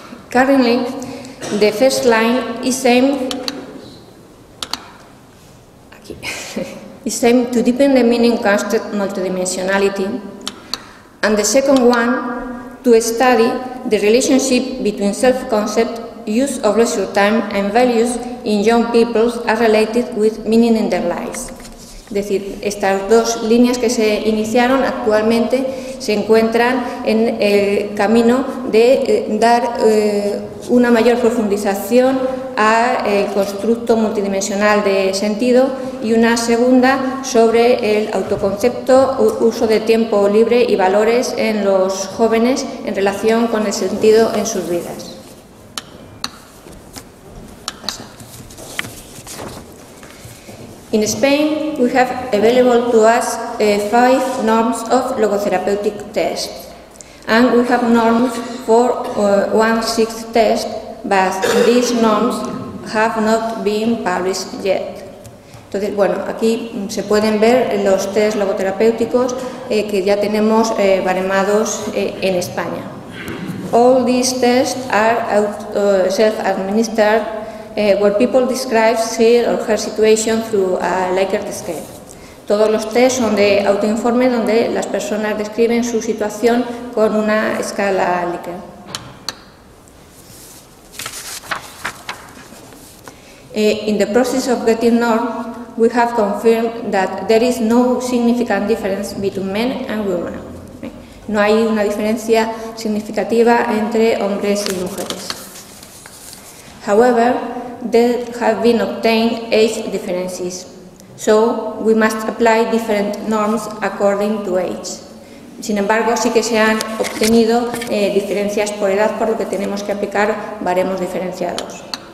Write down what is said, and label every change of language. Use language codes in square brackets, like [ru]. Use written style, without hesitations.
[en] Currently, the first line is aimed to deepen the meaning constant multidimensionality, and the second one to study the relationship between self-concept, use of leisure time, and values in young people as related with meaning in their lives. [es] Es decir, estas dos líneas que se iniciaron actualmente se encuentran en el camino de dar una mayor profundización al constructo multidimensional de sentido y una segunda sobre el autoconcepto, uso de tiempo libre y valores en los jóvenes en relación con el sentido en sus vidas. [en] In Spain, we have available to us five norms of logotherapeutic tests. And we have norms for 1-6 tests, but these norms have not been published yet. [es] Entonces, bueno, aquí se pueden ver los tests logoterapéuticos que ya tenemos baremados en España. [en] All these tests are self-administered where people describe his or her situation through a Likert scale. [es] Todos los tests son de autoinforme donde las personas describen su situación con una escala Likert. [en] In the process of getting norms, we have confirmed that there is no significant difference between men and women. [es] No hay una diferencia significativa entre hombres y mujeres. [en] However, there have been obtained age differences, so we must apply different norms according to age. [es] Sin embargo, sí que se han obtenido diferencias por edad, por lo que tenemos que aplicar baremos diferenciados.